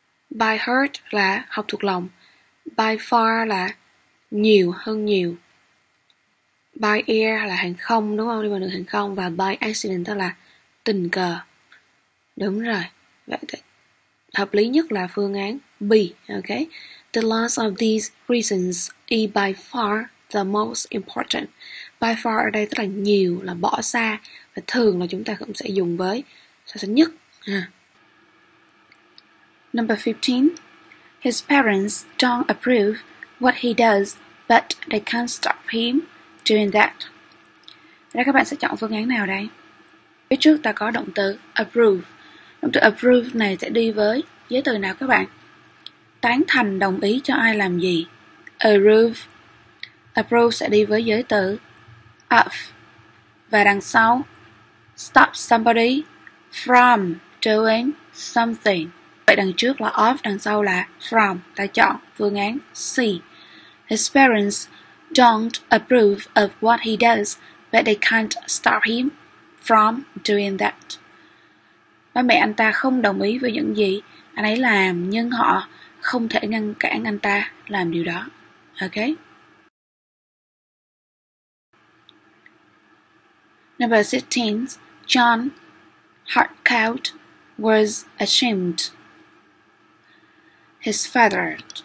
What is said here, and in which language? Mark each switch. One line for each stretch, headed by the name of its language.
Vietnamese: By heart là học thuộc lòng. By far là nhiều hơn nhiều. By air là hàng không, đúng không? Đi bằng đường hàng không. Và by accident tức là tình cờ. Đúng rồi. Vậy thì hợp lý nhất là phương án B.
English: Okay. The last of these reasons is by far the most important.
Vietnamese: By far ở đây tức là nhiều, là bỏ xa. Và thường là chúng ta cũng sẽ dùng với so sánh nhất.
English: Number 15. His parents don't approve what he does, but they can't stop him doing that.
Vietnamese: Đây các bạn sẽ chọn phương án nào đây? Phía trước ta có động từ approve. Động từ approve này sẽ đi với giới từ nào các bạn? Tán thành, đồng ý cho ai làm gì? Approve. Approve sẽ đi với giới từ of. Và đằng sau
English: stop somebody from doing something.
Vietnamese: Vậy đằng trước là of, đằng sau là from. Ta chọn phương án C.
English: His parents don't approve of what he does, but they can't stop him from doing that.
Vietnamese: Ba mẹ anh ta không đồng ý với những gì anh ấy làm, nhưng họ không thể ngăn cản anh ta làm điều đó.
English: Ok. Number 16. John Hardcourt was ashamed. His father.